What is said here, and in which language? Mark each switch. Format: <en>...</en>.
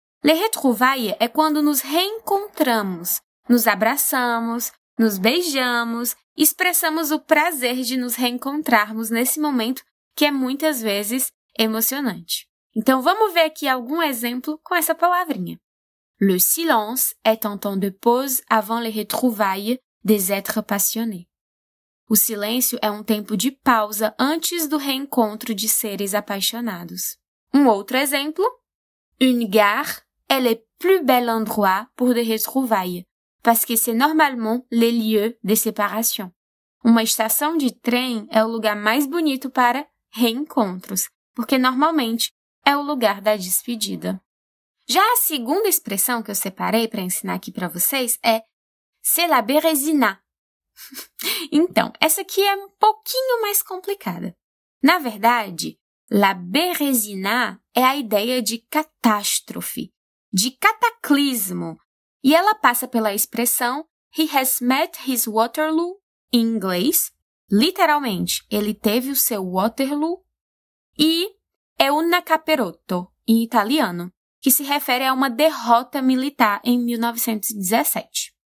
<pt>Les retrouvailles é quando nos reencontramos, nos abraçamos, nos beijamos, expressamos o prazer de nos reencontrarmos nesse momento que é muitas vezes emocionante. Então, vamos ver aqui algum exemplo com essa palavrinha.</pt> <fr>Le silence est un temps de pause avant les retrouvailles des êtres passionnés.</fr> <pt>O silêncio é um tempo de pausa antes do reencontro de seres apaixonados. Um outro exemplo.</pt> <fr>Une gare est le plus bel endroit pour des retrouvailles, parce que c'est normalement le lieu de séparation.</fr> <pt>Uma estação de trem é o lugar mais bonito para reencontros, porque normalmente é o lugar da despedida. Já a segunda expressão que eu separei para ensinar aqui para vocês é</pt> <fr>c'est la bérésina.</fr> <pt>Então, essa aqui é um pouquinho mais complicada. Na verdade, la bérésina é a ideia de catástrofe, de cataclismo, e ela passa pela expressão</pt> <en>he has met his Waterloo,</en> <pt>em inglês, literalmente, ele teve o seu Waterloo, e</pt> <it>è un capirotto,</it> <pt>em italiano, que se refere a uma derrota militar em 1917.</pt>